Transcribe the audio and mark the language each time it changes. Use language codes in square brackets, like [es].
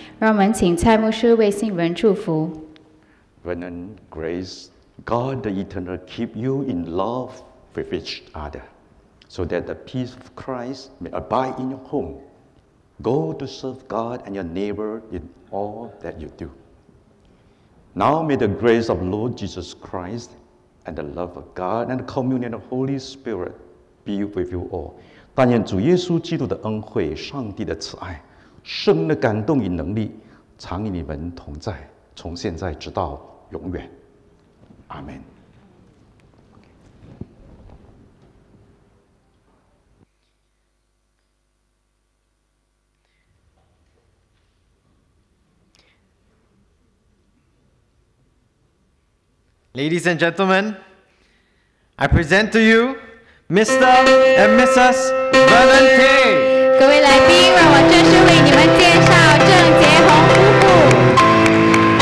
[zh] 让我们请蔡牧师为信人祝福。 [en] Vernon, Grace, God the Eternal keep you in love with each other, so that the peace of Christ may abide in your home. Go to serve God and your neighbor in all that you do. Now may the grace of Lord Jesus Christ and the love of God and the communion of the Holy Spirit be with you all. [zh] 但愿主耶稣基督的恩惠、上帝的慈爱、圣灵的感动与能力常与你们同在，从现在直到永远。阿门。 [en] Ladies and gentlemen, I present to you Mr. and Mrs. Vernon. [zh] 各位来宾，让我正式为你们介绍郑杰宏夫妇。